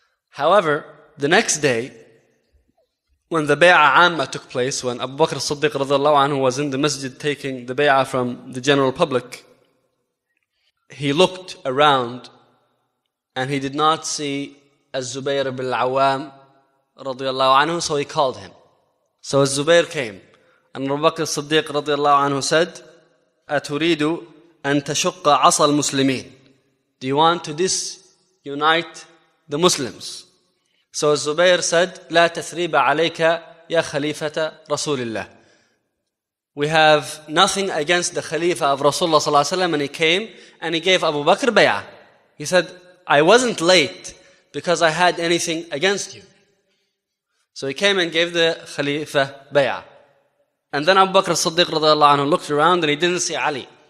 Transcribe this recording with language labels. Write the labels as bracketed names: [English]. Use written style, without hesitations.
[English] However, the next day, when the bay'ah amma took place, when Abu Bakr as-Siddiq radiallahu anhu was in the masjid taking the bay'ah from the general public, he looked around and he did not see Az-Zubayr ibn al-Awwam radiallahu anhu, so he called him. So Az-Zubayr came and Abu Bakr as-Siddiq radiallahu anhu said, [Arabic] أَتُرِيدُ أَن تَشُقَّ عَصَى الْمُسْلِمِينَ. [English] Do you want to disunite the Muslims? So Zubair said, [Arabic] لا تثريب عليك يا خليفة رسول الله. [English] We have nothing against the Khalifa of Rasulullah sallallahu alayhi wa sallam, and he came and he gave Abu Bakr bay'ah. He said, I wasn't late because I had anything against you. So he came and gave the Khalifa bay'ah. And then Abu Bakr as-Siddiq radiallahu anhu looked around and he didn't see Ali.